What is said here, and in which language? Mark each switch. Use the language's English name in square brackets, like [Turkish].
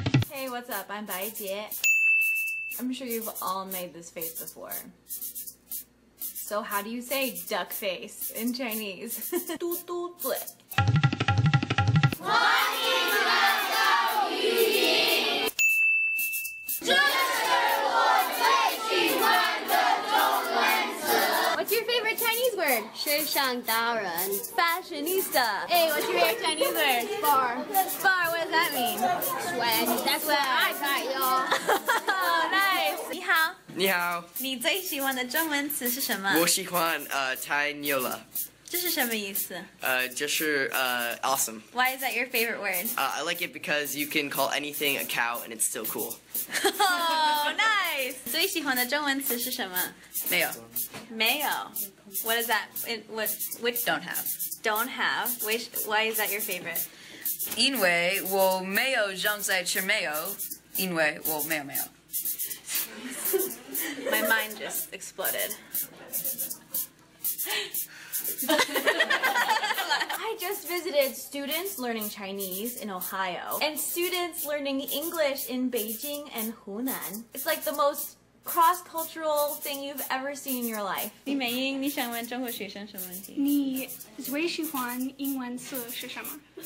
[English] Hey, what's up? I'm Bai Jie. I'm sure you've all made this face before. So how do you say duck face in Chinese? [Chinese] 嘟嘟嘴。我喜欢的口语音，这是我最喜欢的中文 [English] 词。What's your favorite Chinese word? [Chinese] 时尚达人 [English] ，fashionista。 Hey, what's your favorite Chinese word? Bar. Bar, what does that mean? Swag. That's what I got, y'all. Oh, nice. 你好。 [Chinese] 你好。你最喜欢的中文词是什么？我喜欢太牛了。这是什么意思？就是awesome. [English] Why is that your favorite word? I like it because you can call anything a cow and it's still cool. Oh, nice! [Chinese] 最喜欢的中文词是什么？没有。 [English] 没有。What is that? Which don't have? Don't have. Why is that your favorite? [Chinese] 因为我没有用在吃没有，因为我没有没有。 [English] My mind just exploded. I just visited students learning Chinese in Ohio and students learning English in Beijing and Hunan. It's like the most cross-cultural thing you've ever seen in your life. [Chinese] 李美英，你想问中国学生什么问题？你最喜欢英文词是什么？